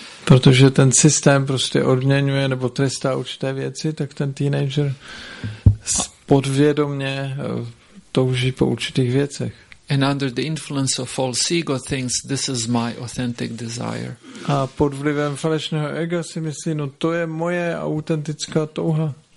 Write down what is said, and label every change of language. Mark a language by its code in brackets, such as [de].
[cs] protože ten systém prostě odměňuje nebo trestá určité věci, tak ten teenager podvědomě touží po určitých věcech. [en] And under the influence of false ego thinks this is my authentic desire. [cs] A pod vlivem falešného ega si myslí, no to je moje autentická touha.